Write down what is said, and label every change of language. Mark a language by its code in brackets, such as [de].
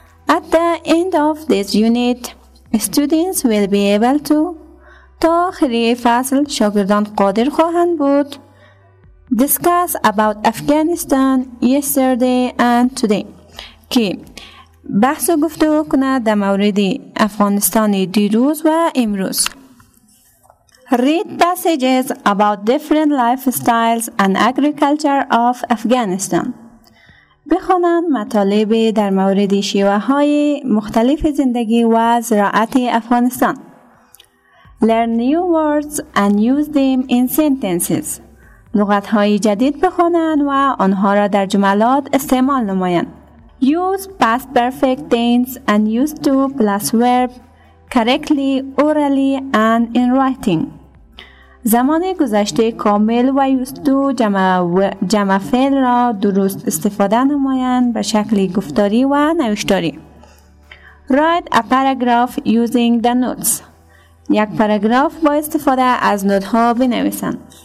[en] At the end of this unit, students will be able to. [fa] تا آخری فصل شاگردان قادر خواهند بود. [en] Discuss about Afghanistan yesterday and today. [fa] که بحث و گفتگو کند در مورد افغانستان دیروز و امروز. [en] Read passages about different lifestyles and agriculture of Afghanistan. [fa] بخوانند مطالب در مورد شیوه های مختلف زندگی و زراعت افغانستان. [en] Learn new words and use them in sentences. [fa] لغت های جدید بخوانند و آنها را در جملات استعمال نمایند. [en] Use past perfect tense and used to plus verb correctly, orally and in writing. [fa] زمان گذشته کامل و used to جمع فعل را درست استفاده نمایند به شکل گفتاری و نوشتاری. [en] Write a paragraph using the notes. [fa] یک پاراگراف با استفاده از نوت ها بنویسند.